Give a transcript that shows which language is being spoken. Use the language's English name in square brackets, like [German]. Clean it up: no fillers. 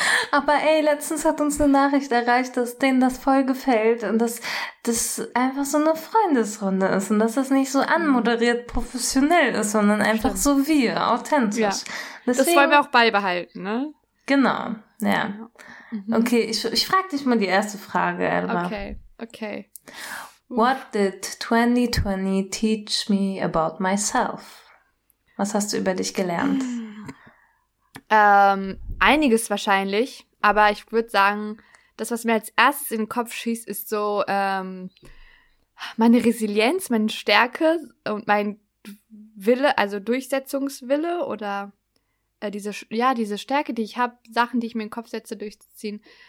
[German] Aber ey, letztens hat uns eine Nachricht erreicht, dass denen das voll gefällt und dass das einfach so eine Freundesrunde ist und dass das nicht so anmoderiert professionell ist, sondern einfach Stimmt. so wir, authentisch. Ja. Deswegen, das wollen wir auch beibehalten, ne? Genau, ja. Mhm. Okay, ich frage dich mal die erste Frage, Elba. Okay. [English] What did 2020 teach me about myself? [German] Was hast du über dich gelernt? Einiges wahrscheinlich, aber ich würde sagen, das, was mir als erstes in den Kopf schießt, ist so meine Resilienz, meine Stärke und mein Wille, also Durchsetzungswille oder diese Stärke, die ich habe, Sachen, die ich mir in den Kopf setze, durchzuziehen.